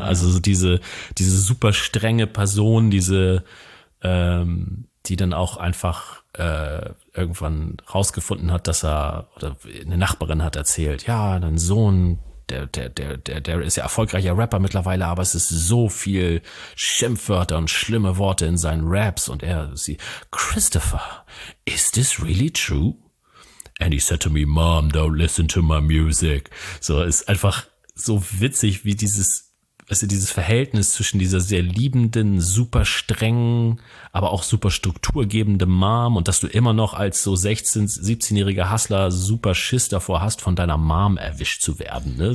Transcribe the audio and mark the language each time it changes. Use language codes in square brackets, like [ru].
[de] Also so diese super strenge Person, die dann auch einfach irgendwann rausgefunden hat, dass er, oder eine Nachbarin hat erzählt, ja, dein Sohn, der ist ja erfolgreicher Rapper mittlerweile, aber es ist so viel Schimpfwörter und schlimme Worte in seinen Raps. [en] Und Christopher, is this really true? And he said to me, Mom, don't listen to my music. [de] So, ist einfach so witzig, wie dieses Verhältnis zwischen dieser sehr liebenden, super strengen, aber auch super strukturgebenden Mom und dass du immer noch als so 16, 17-jähriger Hustler super Schiss davor hast, von deiner Mom erwischt zu werden, ne?